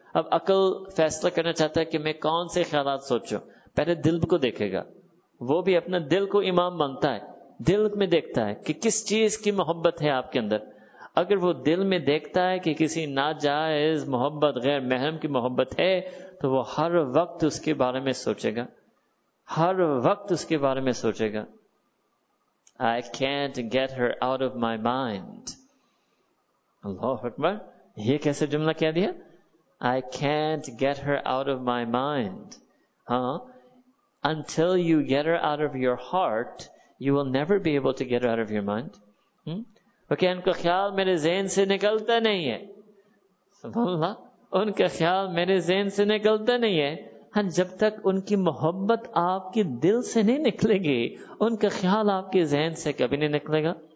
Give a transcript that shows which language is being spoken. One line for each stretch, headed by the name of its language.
Urdu: اب عقل فیصلہ کرنا چاہتا ہے کہ میں کون سے خیالات سوچوں, پہلے دل کو دیکھے گا, وہ بھی اپنا دل کو امام مانتا ہے, دل میں دیکھتا ہے کہ کس چیز کی محبت ہے آپ کے اندر. اگر وہ دل میں دیکھتا ہے کہ کسی ناجائز محبت, غیر محرم کی محبت ہے, تو وہ ہر وقت اس کے بارے میں سوچے گا, ہر وقت اس کے بارے میں سوچے گا.
English: I can't get her out of my mind.
Urdu: اللہ اکبر, یہ کیسے جملہ کہہ دیا؟
English: I can't get her out of my mind. Until you get her out of your heart, you will never be able to get her out of your mind.
Urdu: ان کا خیال میرے ذہن سے نکلتا نہیں ہے. سبحان اللہ, ان کا خیال میرے ذہن سے نکلتا نہیں ہے. ہاں جب تک ان کی محبت آپ کے دل سے نہیں نکلے گی, ان کا خیال آپ کے ذہن سے کبھی نہیں نکلے گا.